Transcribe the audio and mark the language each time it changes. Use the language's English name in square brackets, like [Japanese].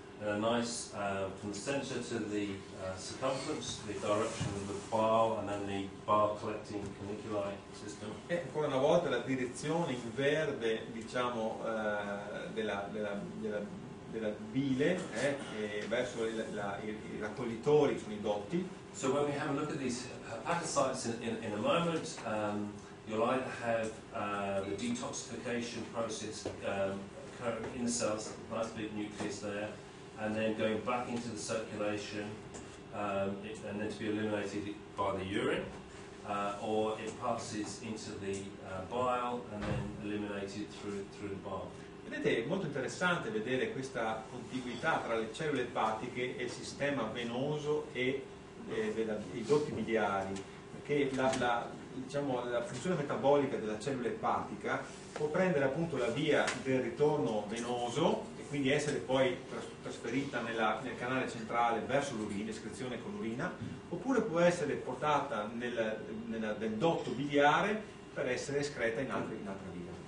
[English] And a nice from the center to the circumference, the direction of the file, and then the bar collecting canaliculi system. [Italian] E ancora una volta la direzione in verde, diciamo, della bile, e verso i raccoglitori sono i dotti. [English] So when we have a look at these hepatocytes in a moment, you'll either have the detoxification process occurring in the cells, nice big nucleus there, and then going back into the circulation, and then to be eliminated by the urine, or it passes into the bile and then eliminated through the bile. [Italian] Vedete, è molto interessante vedere questa contiguità tra le cellule epatiche e il sistema venoso e i dotti biliari, perché la funzione metabolica della cellula epatica può prendere appunto la via del ritorno venoso e quindi essere poi trasferita nel canale centrale verso l'urina, escrezione con l'urina, oppure può essere portata nel dotto biliare per essere escreta in altre vie.